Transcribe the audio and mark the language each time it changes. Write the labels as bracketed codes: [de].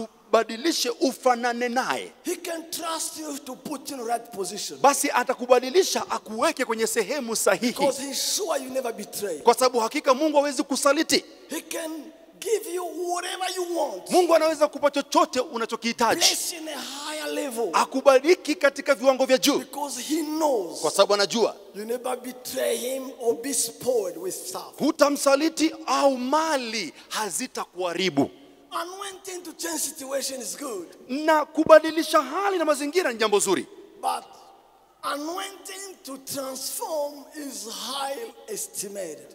[sw] Badilishe ufanane naye. [en] He can trust you to put in right position. [sw] Basi atakubadilisha akuweke kwenye sehemu sahihi. [en] Because he's sure you never betray. [sw] Kwa sababu hakika Mungu hawezi kusaliti. [en] He can give you whatever you want. [sw] Mungu anaweza kukupa chochote unachokihitaji. [en] Bless in a higher level. [sw] Akubariki katika viwango vya juu. [en] Because he knows. [sw] Kwa sababu anajua. [en] You never betray him or be spoiled with stuff. [sw] Hutamsaliti au mali hazitakuharibu. [en] And when thing to change situation is good. [sw] Na kubadilisha hali na mazingira ni jambo zuri. [en] But anointing to transform is highly estimated.